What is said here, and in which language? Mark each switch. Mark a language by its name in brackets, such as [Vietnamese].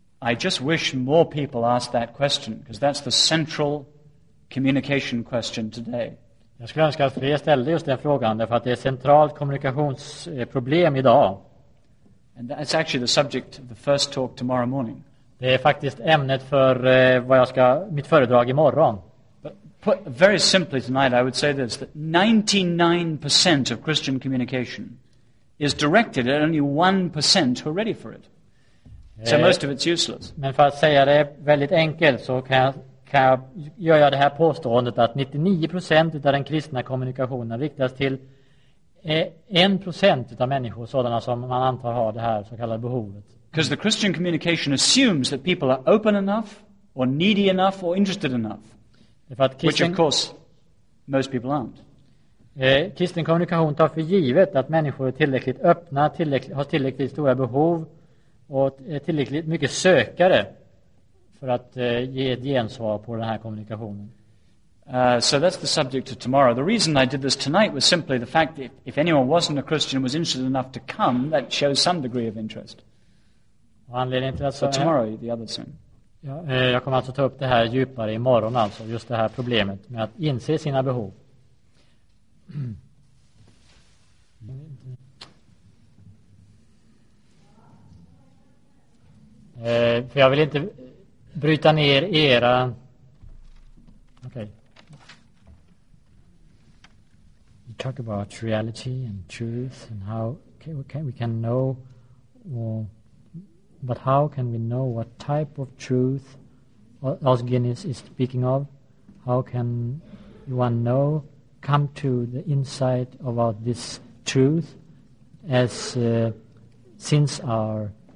[English] I just wish more people asked that question, because that's the central communication question today. [Swedish] Jag skulle önska att fler ställde just den frågan, därför att det är ett centralt kommunikationsproblem idag. [English] And that's actually the subject of the first talk tomorrow morning. [Swedish] Det är faktiskt ämnet för mitt föredrag imorgon. [English] But put very simply tonight, I would say this, that 99% of Christian communication is directed at only 1% who are ready for it. So most of it's useless. [Swedish] Men för att säga det väldigt enkelt, så kan jag det här påståendet att 99% av den kristna kommunikationen riktas till 1% av människor, sådana som man antar har det här så kallade behovet. [English] Because the Christian communication assumes that people are open enough or needy enough or interested enough. Which of course most people aren't. [Swedish] Kristen kommunikation tar för givet att människor är tillräckligt öppna, har tillräckligt stora behov och tillräckligt mycket sökare för att ge ett gensvar på den här kommunikationen. [English] So that's the subject of tomorrow. The reason I did this tonight was simply the fact that if anyone wasn't a Christian and was interested enough to come, that shows some degree of interest. [Swedish] Alltså, [English] but tomorrow, the other thing. [Swedish] Ja, jag kommer alltså ta upp det här djupare imorgon, alltså just det här problemet med att inse sina behov. För jag vill inte bryta ner era. [English] Okay. You talk about reality and truth and how we can know or, but how can we know what type of truth Osgenis is speaking of? How can one know, come to the insight about this truth, as since our